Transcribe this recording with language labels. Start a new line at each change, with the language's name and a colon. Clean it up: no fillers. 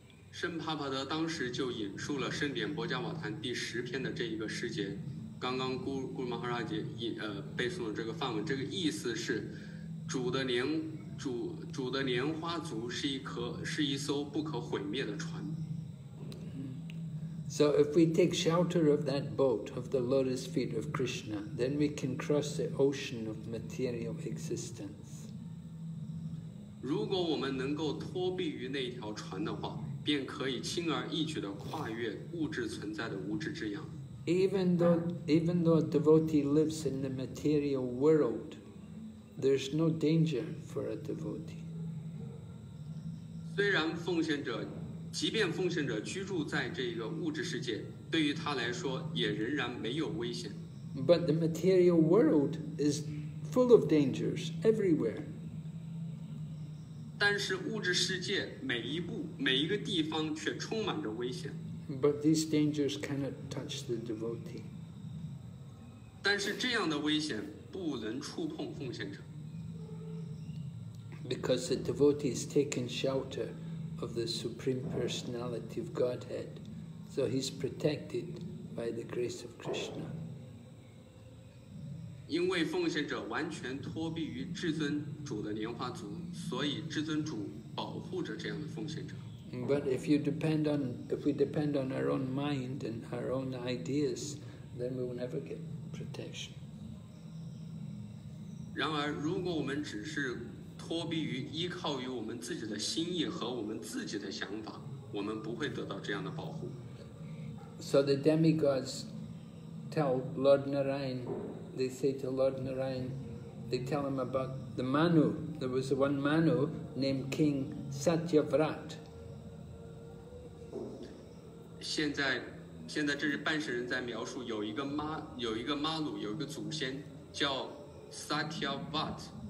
Chinese: 圣帕帕德当时就引述了《圣典波迦瓦坛》第十篇的这一个诗节，刚刚古玛哈拉杰背诵了这个梵文，这个意思是主的莲花足是一艘不可毁灭的船。
English: So if we take shelter of that boat, of the lotus feet of Krishna, then we can cross the ocean of material existence.
Chinese: 如果我们能够脱避于那条船的话，便可以轻而易举地跨越物质存在的无知之洋。
English: Even though a devotee lives in the material world, there's no danger for a devotee.
Chinese: 虽然奉献者即便奉献者居住在这个物质世界，对于他来说也仍然没有危险。
English: But the material world is full of dangers everywhere.
Chinese: 但是物质世界每一步每一个地方却充满着危险。
English: But these dangers cannot touch the devotee.
Chinese: 但是这样的危险不能触碰奉献者。
English: Because the devotee is taking shelter. Of the Supreme Personality of Godhead, so he's protected by the grace of Krishna.
Chinese: 因为奉献者完全脱避于至尊主的莲花足，所以至尊主保护着这样的奉献者。
English: But if we depend on our own mind and our own ideas, then we will never get protection.
Chinese: 然而，如果我们只是脱避于依靠于我们自己的心意和我们自己的想法，我们不会得到这样的保护。
English: So the demigods tell Lord Narayan, they say to Lord Narayan, they tell him about the Manu. There was one Manu named King Satyavrat.
Chinese: 现在这是半神人在描述有一个马鲁，有一个祖先叫 Satyavrat。